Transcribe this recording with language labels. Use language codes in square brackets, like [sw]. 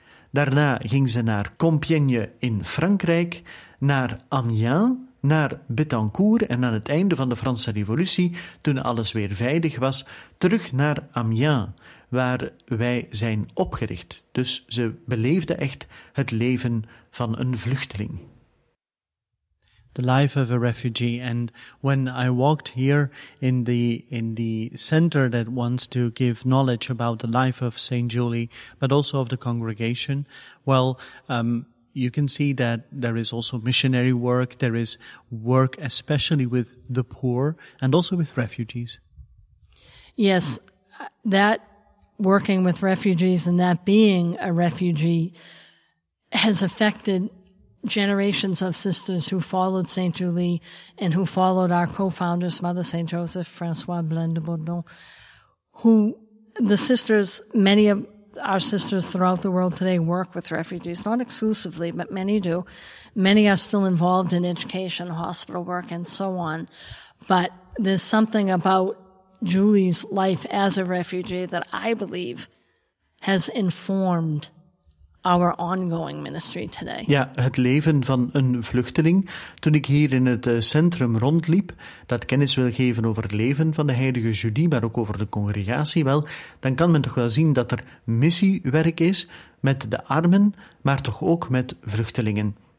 [nl] Daarna ging ze naar Compiègne in Frankrijk, naar Amiens, naar Bettencourt en aan het einde van de Franse Revolutie, toen alles weer veilig was, terug naar Amiens, waar wij zijn opgericht. Dus ze beleefde echt het leven van een vluchteling. [en] The life of a refugee. And when I walked here in the center that wants to give knowledge about the life of Saint Julie, but also of the congregation, well, you can see that there is also missionary work. There is work, especially with the poor and also with refugees. Yes, that working with refugees and that being a refugee has affected generations of sisters who followed Saint Julie and who followed our co-founders, Mother Saint Joseph, Francois Blaine de Bourdon, who the sisters, many of our sisters throughout the world today work with refugees, not exclusively, but many do. Many are still involved in education, hospital work, and so on. But there's something about Julie's life as a refugee that I believe has informed our ongoing ministry today. [nl] Ja, het leven van een vluchteling. Toen ik hier in het centrum rondliep, dat kennis wil geven over het leven van de heilige Julie, maar ook over de congregatie, wel, dan kan men toch wel zien dat er missiewerk is met de armen, maar toch ook met vluchtelingen.